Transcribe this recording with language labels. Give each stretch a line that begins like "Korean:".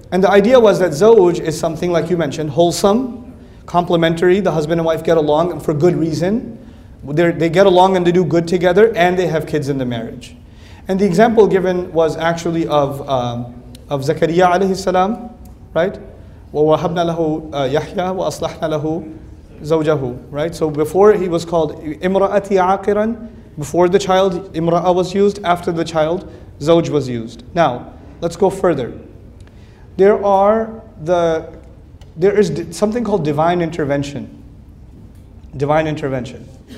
English: And the idea was that zawj is something, like you mentioned, wholesome, complementary. The husband and wife get along for good reason. They get along and they do good together, and they have kids in the marriage. And the example given was actually of Zakariya alayhi salam, right?
Arabic: وَوَهَبْنَا لَهُ يَحْيَا وَأَصْلَحْنَا لَهُ زَوْجَهُ, right?
English: So before he was called
Arabic: إِمْرَأَتِي عَاقِرًا,
English: before the child, إِمْرَأَ was used, after the child, zawj was used. Now, let's go further. There is something called divine intervention. Divine intervention.